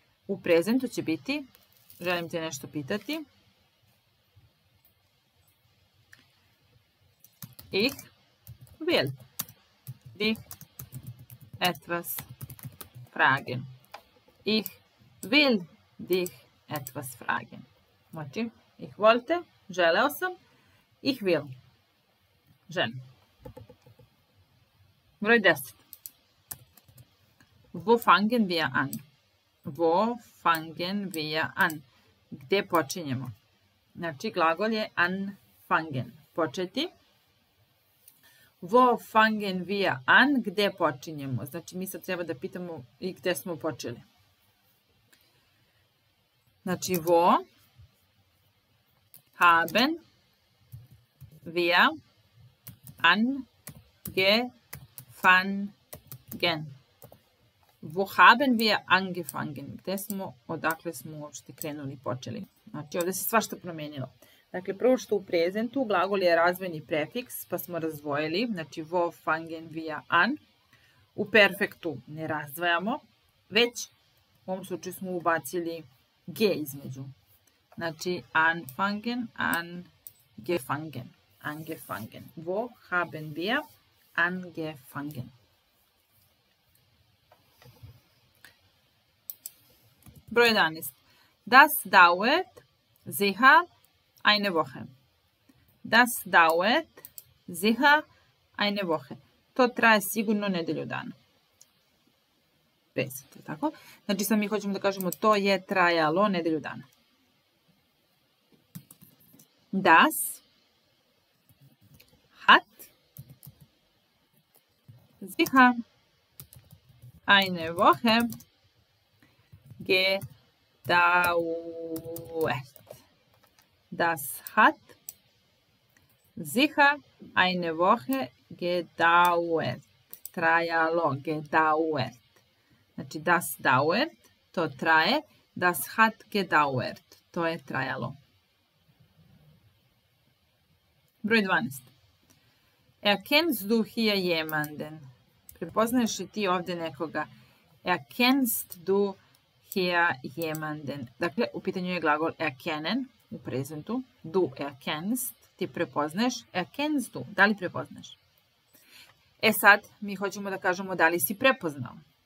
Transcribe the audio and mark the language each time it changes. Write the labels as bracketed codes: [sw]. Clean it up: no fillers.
[sr] U prezentu će biti želim te nešto pitati. [de] Ich will dich etwas fragen. Ich will dich etwas fragen. [sr] Znači, [de] ich wollte, [sr] želeo sam. [de] Ich will, [sr] želim. [de] Broj 10. Wo fangen wir an? Wo fangen wir an? [sr] Gde počinjemo? Znači, glagol je anfangen. Početi. [de] Wo fangen wir an? [sr] Gde počinjemo? Znači, mi sad treba da pitamo i gde smo počeli. [de] Znači, wo haben wir angefangen? Wo haben wir angefangen? [sr] Gde smo, odakle smo uopšte krenuli, počeli? Znači, ovde se svašta promenilo. Dakle, prvo što u prezentu, glagol je razvojni prefiks, pa smo razdvojili, znači [de] wo fangen wir an. [sr] U perfektu ne razdvajamo, već u ovom slučaju smo ubacili g između. [de] Znači, anfangen, angefangen, angefangen. Wo haben wir angefangen? [sr] Broj 11. [de] Das dauert sicher eine Woche. Das dauert sicher eine Woche. [sr] To traje sigurno nedelju dana. Pesito, tako? Znači sad mi hoćemo da kažemo to je trajalo nedelju dana. [de] Das hat sicher eine Woche gedauert. Das hat sicher eine Woche gedauert. [sr] Trajalo, gedauert. Znači, [de] das dauert, [sr] to traje. [de] Das hat gedauert, [sr] to je trajalo. [de] Broj 12. Erkennst du hier jemanden? [sr] Prepoznaješ li ti ovde nekoga? [de] Erkennst du hier jemanden? [sr] Dakle, u pitanju je glagol erkennen u prezentu. [de] Du erkennst, [sr] ti prepoznaješ. [de] Erkennst du, [sr] da li prepoznaješ? E sad, mi hoćemo da kažemo da li si prepoznao.